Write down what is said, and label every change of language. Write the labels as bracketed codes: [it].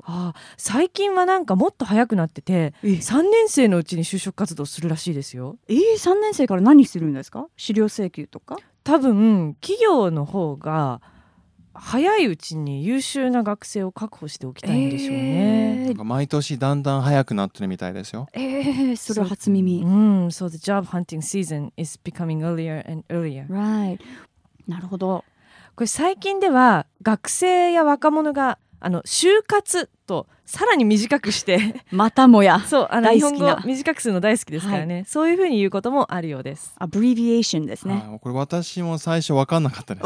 [ja] ああ、最近はなんかもっと早くなってて、3年生のうちに就職活動するらしいですよ。 3年生から何するんですか？資料請求とか？多分企業の方が早いうちに優秀な学生を確保しておきたいんでしょうね。毎年だんだん早くなってるみたいですよ。それは初耳。 [en] So the job hunting season is becoming earlier and earlier. [ja] Right. なるほど。これ最近では学生や若者が就活とさらに短くしてまたもや、そう、日本語短くするの大好きですからね、はい、そういうふうに言うこともあるようです。アブリビエーションですね。これ私も最初分かんなかったです。